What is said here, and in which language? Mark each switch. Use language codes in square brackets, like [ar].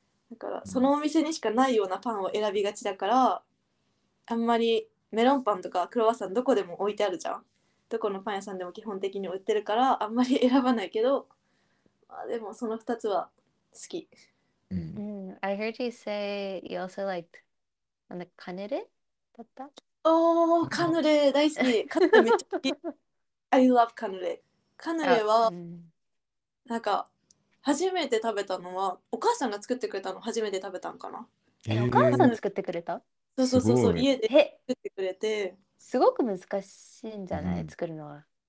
[ja] だから、そのお店にしかないようなパンを選びがちだから、あんまりメロンパンとかクロワッサンどこでも置いてあるじゃん。どこのパン屋さんでも基本的に売ってるから、あんまり選ばないけど、まあでもその2つは好き。 [en] I heard you say you also liked on the カヌレ [ja] だった？おー、カヌレ大好き。カヌレめっちゃ好き。 [en] I love [ja] カヌレ。カヌレは、なんか、初めて食べたのは、お母さんが作ってくれたの初めて食べたんかな。え、お母さんが作ってくれた？そうそうそうそう、家で作ってくれて。すごく難しいんじゃない、うん、作るのは。